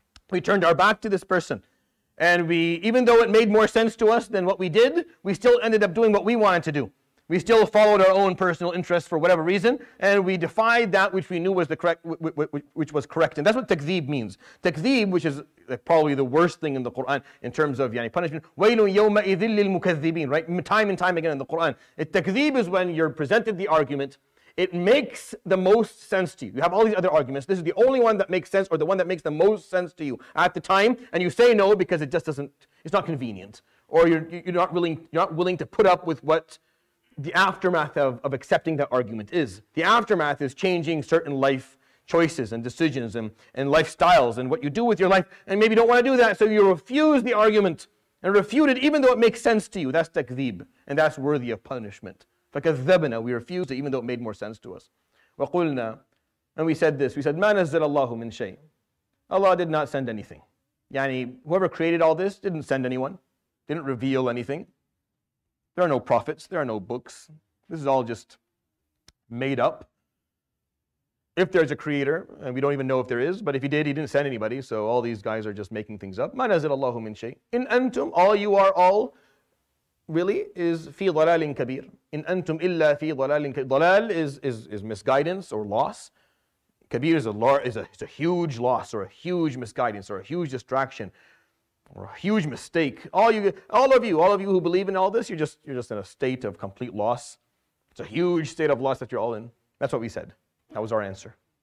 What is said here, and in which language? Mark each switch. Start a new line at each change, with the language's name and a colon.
English: We turned our back to this person. And we, even though it made more sense to us than what we did, we still ended up doing what we wanted to do. We still followed our own personal interests for whatever reason, and we defied that which we knew was the correct, which was correct. And that's what takzeeb means. Takzeeb, which is probably the worst thing in the Quran in terms of yani punishment.
Arabic: وَيْلٌ يَوْمَئِذٍ لِلْمُكَذِّبِينَ, right?
English: Time and time again in the Quran. Takzeeb is when you're presented the argument, it makes the most sense to you. You have all these other arguments. This is the only one that makes sense, or the one that makes the most sense to you at the time, and you say no because it just doesn't, it's not convenient. Or you're not willing to put up with what the aftermath of accepting that argument is. The aftermath is changing certain life choices and decisions and lifestyles and what you do with your life, and maybe you don't want to do that, so you refuse the argument and refute it even though it makes sense to you. That's takzeeb, and that's worthy of punishment. فَكَذَّبْنَا, we refused it even though it made more sense to us. وَقُلْنَا, and we said this, we said,
Arabic: مَا نَزَّلَ اللَّهُ مِنْ شَيْءٍ,
English: Allah did not send anything. Yani, whoever created all this didn't send anyone, didn't reveal anything. There are no prophets, there are no books. This is all just made up. If there's a creator, and we don't even know if there is, but if he did, he didn't send anybody, so all these guys are just making things up.
Arabic: مَا نَزِلَ اللَّهُ مِنْ شَيْءٍ إِنْ أَنْتُمْ,
English: all you are all, really, is
Arabic: فِي ضَلَالٍ كَبِيرٍ إِنْ أَنْتُمْ إِلَّا فِي ضَلَالٍ كَبِيرٍ.
English: ضَلَال is misguidance or loss. كَبِيرٍ is a huge loss or a huge misguidance or a huge distraction. Or a huge mistake. All of you who believe in all this, you're just in a state of complete loss. It's a huge state of loss that you're all in. That's what we said. That was our answer.